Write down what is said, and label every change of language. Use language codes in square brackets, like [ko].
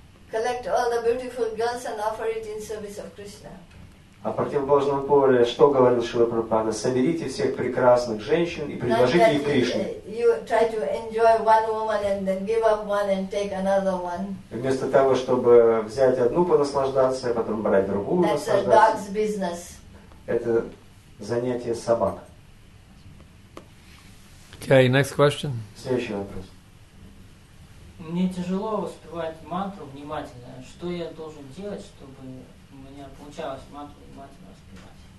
[en] Collect all the beautiful girls and offer it in service of Krishna. [ru] А в противоположном поле, что говорил Шрила Прабхупада? Соберите всех прекрасных женщин и предложите их Кришне. [en] You try to enjoy one woman and then give up one and take another one. [ru] Вместо того, чтобы взять одну понаслаждаться, а потом брать другую наслаждаться. [en] That's a dog's business. [ru] Это занятие собак. [en] Okay, next question. [ru] Следующий вопрос. Мне тяжело воспевать мантру внимательно. Что я должен делать, чтобы у меня получалось мантру внимательно воспевать?